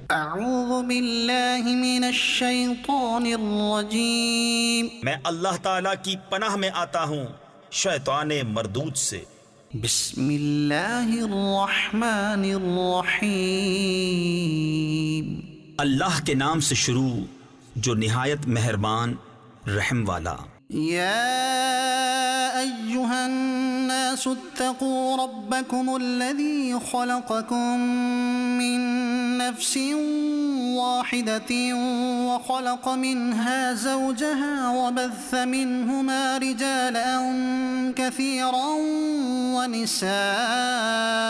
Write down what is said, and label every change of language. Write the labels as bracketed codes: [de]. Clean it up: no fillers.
[ar] أعوذ بالله من الشيطان الرجيم [ur] میں اللہ تعالیٰ کی پناہ میں آتا ہوں شیطان مردود سے [ar] بسم اللہ الرحمن الرحیم [ur] اللہ کے نام سے شروع جو نہایت مہربان رحم والا [ar] يا أيها الناس اتقوا ربكم الذي خلقكم من نفس واحدة وخلق منها زوجها وبث منهما رجالا كثيرا ونساء